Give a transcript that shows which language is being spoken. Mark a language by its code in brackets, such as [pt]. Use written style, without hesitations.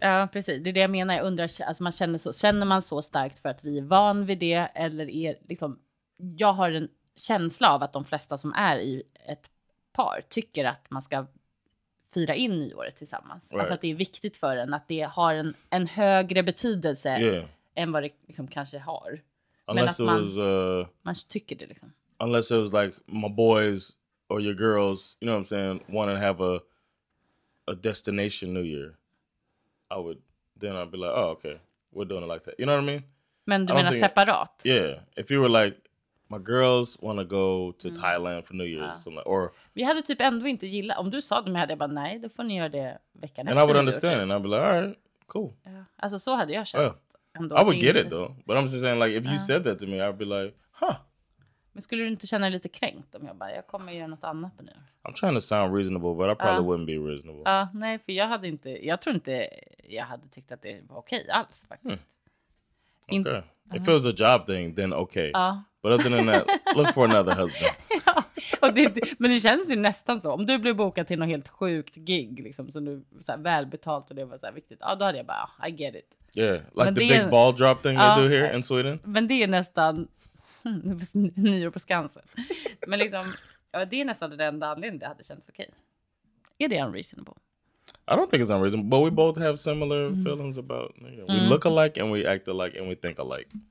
[sv] Ja, precis. Det är det jag menar. Jag undrar, alltså man känner så, känner man så starkt för att vi är van vid det, eller är liksom, jag har en känsla av att de flesta som är i ett par tycker att man ska fira in nyåret tillsammans. Right. Alltså att det är viktigt för en, att det har en högre betydelse än vad det liksom kanske har. Unless men att man, was, man tycker det liksom. [en] Unless it was like my boys or your girls, you know what I'm saying, want to have a destination new year. I would, then I'd be like, oh okay, we're doing it like that. You know what I mean? [sv] Men du menar separat? [en] I, yeah, if you were like, my girls want to go to Thailand for New Year's. [sv] Ja. Or vi hade typ ändå inte gilla. Om du sa det med, hade jag bara, nej, då får ni göra det veckan [en] efter. And I would understand it. And I'd be like, all right, cool. [sv] Ja. Alltså så hade jag känt. [en] Ändå I would get it though. But I'm just saying, like, if you said that to me, I'd be like, huh. [sv] Men skulle du inte känna lite kränkt om jag bara, jag kommer göra något annat på nu? [en] I'm trying to sound reasonable, but I probably wouldn't be reasonable. [sv] Ja, nej, för jag hade inte, jag tror inte jag hade tyckt att det var okej alls faktiskt. [en] Hmm. Okay. If it was a job thing, then okay. [sv] Ja. [en] But other than that, look for another husband. [sv] Ja, och det, men det känns ju nästan så. Om du blev bokad till något helt sjukt gig, liksom, som du så här, välbetalt och det var så här viktigt. Ja, då hade jag bara, oh, I get it. [en] Yeah, like men the big ball drop thing they do here in Sweden. [sv] Men det är nästan, nyår på Skansen. Men liksom, ja, det är nästan den enda anledningen det hade känts okej. Okay. Är det unreasonable? [en] I don't think it's unreasonable, but we both have similar feelings about, you know, we look alike and we act alike and we think alike.